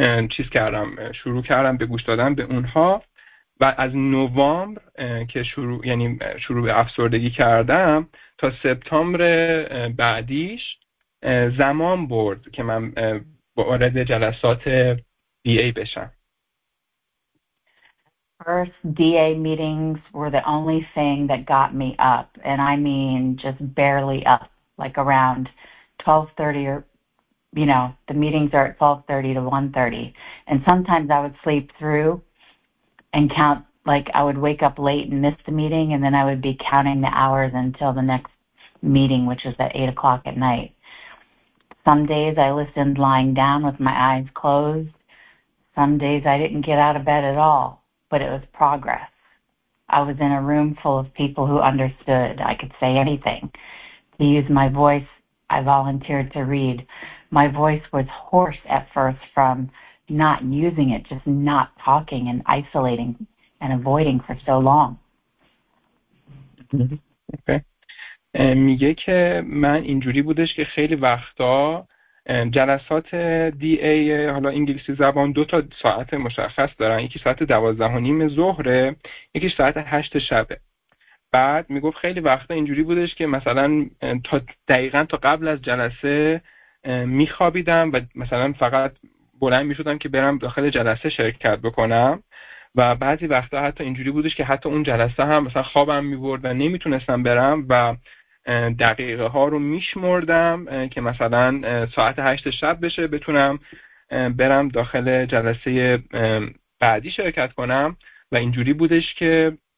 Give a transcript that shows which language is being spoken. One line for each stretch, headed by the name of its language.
Persian: چیز کردم، شروع کردم به گوش دادن به اونها و از نوامبر که شروع یعنی شروع به افسردگی کردم تا سپتامبر بعدیش زمان برد که من وارد جلسات دی ای بشم.
English: First DA meetings were the only thing that got me up, and I mean just barely up, like around 12:30 or, you know, the meetings are at 12:30 to 1:30, and sometimes I would sleep through and count, like I would wake up late and miss the meeting, and then I would be counting the hours until the next meeting, which was at 8 o'clock at night. Some days I listened lying down with my eyes closed. Some days I didn't get out of bed at all. But it was progress. I was in a room full of people who understood. I could say anything. To use my voice, I volunteered to read. My voice was hoarse at first from not using it, just not talking and isolating and avoiding for so long.
Persian: میگه که من اینجوری بودش که خیلی وقتا جلسات دی ای حالا انگلیسی زبان دو تا ساعت مشخص دارن، یکی ساعت 12:30 ظهره، یکی ساعت 8 شبه. بعد میگفت خیلی وقتا اینجوری بودش که مثلا تا دقیقا تا قبل از جلسه میخوابیدم و مثلا فقط بلند میشدم که برم داخل جلسه شرکت بکنم و بعضی وقتا حتی اینجوری بودش که حتی اون جلسه هم مثلا خوابم میبرد و نمیتونستم برم و دقیقه ها رو میشمردم که مثلا ساعت 8 شب بشه بتونم برم داخل جلسه بعدی شرکت کنم و اینجوری بودش که